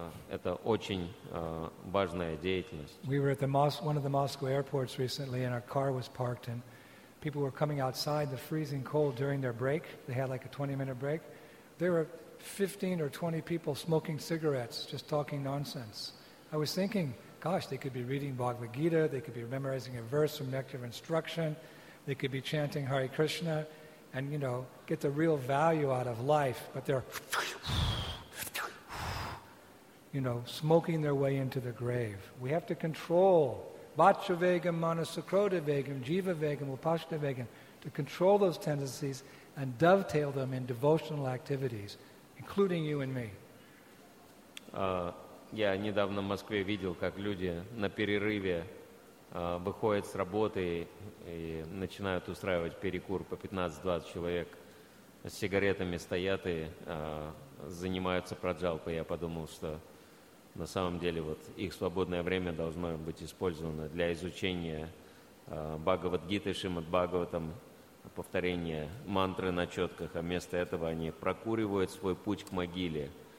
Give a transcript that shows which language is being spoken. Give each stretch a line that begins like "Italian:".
Russian: Это очень важная деятельность.
English: We were at one of the Moscow airports recently, and our car was parked, and people were coming outside the freezing cold during their break. They had like a 20-minute break. There were 15 or 20 people smoking cigarettes, just talking nonsense. I was thinking, gosh, they could be reading Bhagavad Gita, they could be memorizing a verse from Nectar of Instruction, they could be chanting Hare Krishna, and, you know, get the real value out of life. But they're, you know, smoking their way into the grave. We have to control Vacha Vegam, Manasa Krodha Vegam, Jiva Vegam, Upashta Vegam, to control those tendencies and dovetail them in devotional activities, including you and me.
Russian: Я недавно в Москве видел, как люди на перерыве выходят с работы и начинают устраивать перекур по 15-20 человек, с сигаретами стоят и занимаются праджалпой. Я подумал, что на самом деле вот их свободное время должно быть использовано для изучения Бхагавад-гиты, Шримад-Бхагаватам, повторения мантры на четках, а вместо этого они прокуривают свой путь к могиле.